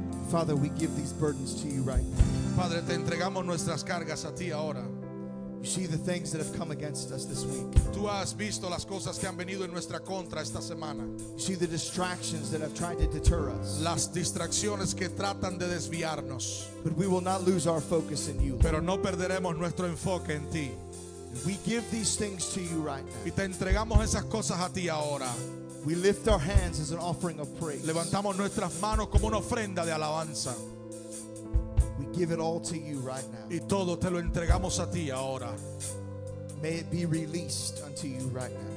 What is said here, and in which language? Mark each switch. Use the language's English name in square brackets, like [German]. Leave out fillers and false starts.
[English] Father, we give these burdens to you right now. [Spanish] Padre, te entregamos nuestras cargas a ti ahora. [English] You see the things that have come against us this week. [Spanish] Tú has visto las cosas que han venido en nuestra contra esta semana. [English] You see the distractions that have tried to deter us. [Spanish] Las distracciones que tratan de desviarnos. [English] But we will not lose our focus in you. [Spanish] Pero no perderemos nuestro enfoque en ti. [English] We give these things to you right now. [Spanish] Y te entregamos esas cosas a ti ahora. [English] We lift our hands as an offering of praise. [Spanish] Levantamos nuestras manos como una ofrenda de alabanza. [English] We give it all to you right now. [Spanish] Y todo te lo entregamos a ti ahora. [English] May it be released unto you right now.